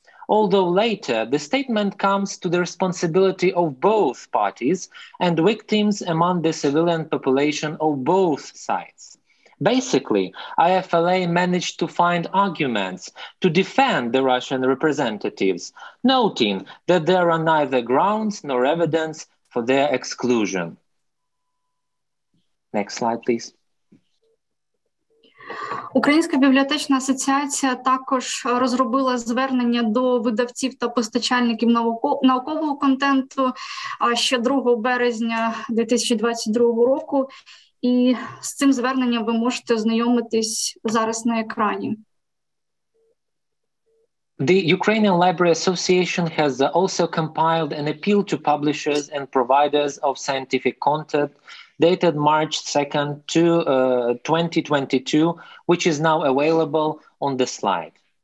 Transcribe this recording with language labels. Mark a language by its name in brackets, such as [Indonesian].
[English] Although later, the statement comes to the responsibility of both parties and victims among the civilian population of both sides. Basically, IFLA managed to find arguments to defend the Russian representatives, noting that there are neither grounds nor evidence for their exclusion. Next slide, please. [Ukrainian] Українська бібліотечна асоціація також розробила звернення до видавців та постачальників наукового контенту ще 2 березня 2022 року. І з цим зверненням ви можете ознайомитись зараз на екрані. [English] The Ukrainian Library Association has also compiled an appeal to publishers and providers of scientific content dated March 2nd, 2022, which is now available on the slide.